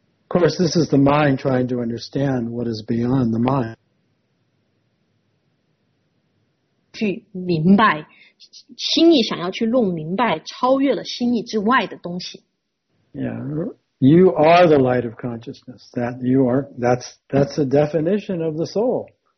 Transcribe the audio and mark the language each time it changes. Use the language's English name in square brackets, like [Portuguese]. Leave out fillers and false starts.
[English] Of course, this is the mind trying to understand what is beyond the mind. [Chinese] 去明白，心意想要去弄明白超越了心意之外的东西。 [English] Yeah, you are the light of consciousness. That you are, that's the definition of the soul.